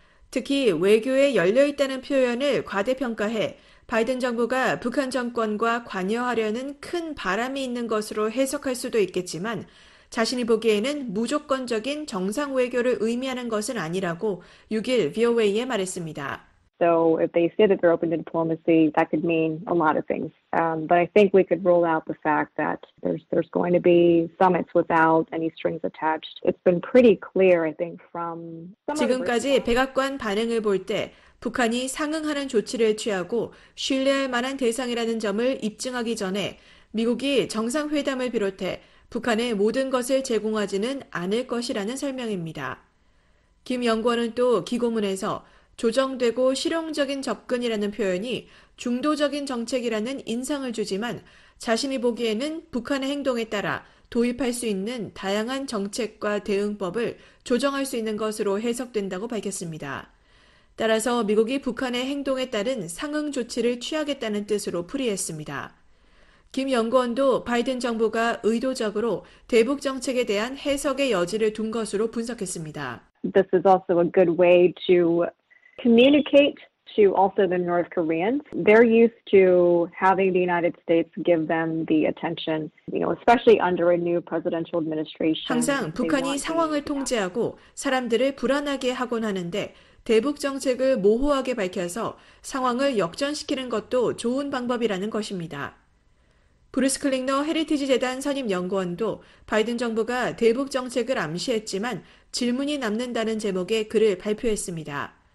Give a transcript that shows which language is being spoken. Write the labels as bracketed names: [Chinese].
[Korean] 특히 외교에 열려 있다는 표현을 과대평가해 바이든 정부가 북한 정권과 관여하려는 큰 바람이 있는 것으로 해석할 수도 있겠지만 자신이 보기에는 무조건적인 정상 외교를 의미하는 것은 아니라고 6일 VOA에 말했습니다. [English] So if they say that they're open to diplomacy, that could mean a lot of things. But I think we could rule out the fact that there's going to be summits without any strings attached. It's been pretty clear, I think, from some of the [Korean] 지금까지 백악관 반응을 볼때 북한이 상응하는 조치를 취하고 신뢰할 만한 대상이라는 점을 입증하기 전에 미국이 정상회담을 비롯해 북한의 모든 것을 제공하지는 않을 것이라는 설명입니다. 김 연구원은 또 기고문에서 조정되고 실용적인 접근이라는 표현이 중도적인 정책이라는 인상을 주지만 자신이 보기에는 북한의 행동에 따라 도입할 수 있는 다양한 정책과 대응법을 조정할 수 있는 것으로 해석된다고 밝혔습니다. 따라서 미국이 북한의 행동에 따른 상응 조치를 취하겠다는 뜻으로 풀이했습니다. 김 연구원도 바이든 정부가 의도적으로 대북 정책에 대한 해석의 여지를 둔 것으로 분석했습니다. [English] This is also a good way to communicate to also the North Koreans. They're used to having the United States give them the attention, especially under a new presidential administration. [Korean] 항상 [English] They [Korean] 북한이 [English] want [Korean] 상황을 통제하고 사람들을 불안하게 하곤 하는데 대북 정책을 모호하게 밝혀서 상황을 역전시키는 것도 좋은 방법이라는 것입니다. 브루스 클링너 헤리티지 재단 선임 연구원도 바이든 정부가 대북 정책을 암시했지만 질문이 남는다는 제목의 글을 발표했습니다.